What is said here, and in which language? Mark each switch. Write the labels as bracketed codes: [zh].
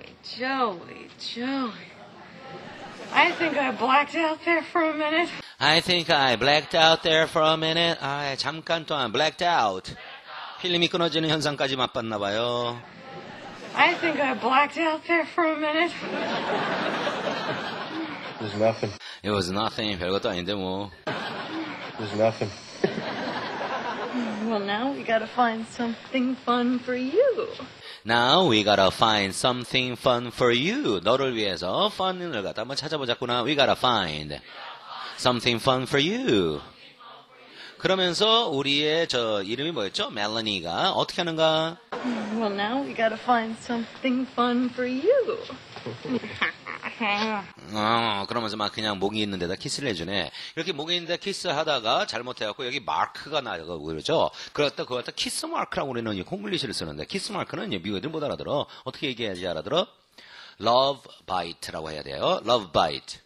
[en] 조이, I think I blacked out there for a minute. I think I blacked out there for a minute. [ko] 아, 잠깐 동안 [en] blacked out. [ko] 필름이 끊어지는 현상까지 맛봤나 봐요. [en] I think I blacked out there for a minute. It was nothing. It was nothing. [ko] 별것도 아닌데 뭐. [en] It was nothing. Well, now we gotta find something fun for you. Now we gotta find something fun for you. [ko] 너를 위해서 fun을 갖다 한번 찾아보자꾸나. [en] We gotta find something fun for you. [ko] 그러면서 우리의 저 이름이 뭐였죠? Melanie가 어떻게 하는가? [en] Well, now we gotta find something fun for you. [ko] 그러면서 막 그냥 목이 있는 데다 키스를 해주네. 이렇게 목이 있는 데 키스하다가 잘못해갖고 여기 마크가 나고 그러죠. 그렇다 그렇다 키스 마크라고 우리는 콩글리시를 쓰는데 키스 마크는 미국 애들 못 알아들어. 어떻게 얘기해야지 알아들어? [en] Love bite라고 [ko] 해야 돼요. [en] Love bite.